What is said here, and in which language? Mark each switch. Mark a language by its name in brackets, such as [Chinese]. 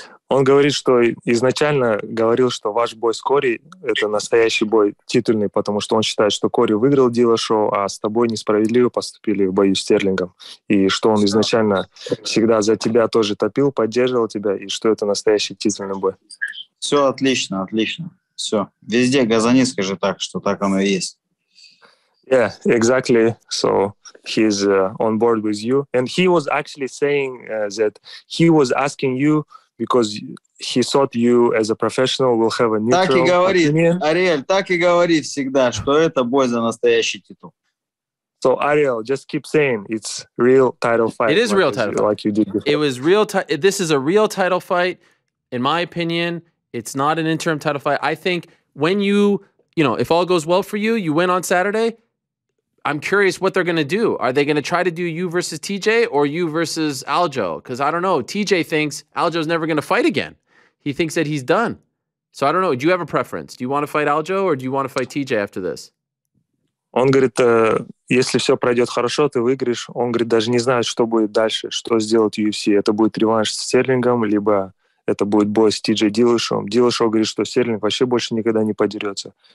[Russian] Он говорит, что изначально говорил, что ваш бой с Кори – это настоящий бой, титульный, потому что он считает, что Кори выиграл Дилашоу, а с тобой несправедливо поступили в бою с Стерлингом. И что он изначально всегда за тебя тоже топил, поддерживал тебя, и что это настоящий титульный бой. Все отлично, отлично. Все. Везде Газанин скажет так, что так оно и есть. [English] Yeah, exactly. So he's on board with you. And he was actually saying that he was asking you because he thought you as a professional will have a neutral opinion. [Russian] Так и говори, Ариэль, так и говори всегда, что это бой за настоящий титул. [English] So Ariel, just keep saying it's real title fight. It is real title fight. Like you did before. It was real this is a real title fight. In my opinion, it's not an interim title fight. I think when you know, if all goes well for you, you win on Saturday, I'm curious what they're going to do. Are they going to try to do you versus TJ or you versus Aljo? Because I don't know. TJ thinks Aljo's never going to fight again. He thinks that he's done. So I don't know. Do you have a preference? Do you want to fight Aljo or do you want to fight TJ after this? [Russian] Он говорит, если все пройдет хорошо, ты выиграешь. Он говорит, даже не знает, что будет дальше, что сделать UFC. Это будет реванш с Стерлингом, либо это будет бой с TJ Дилашоу. Дилашоу говорит, что Стерлинг вообще больше никогда не подерется.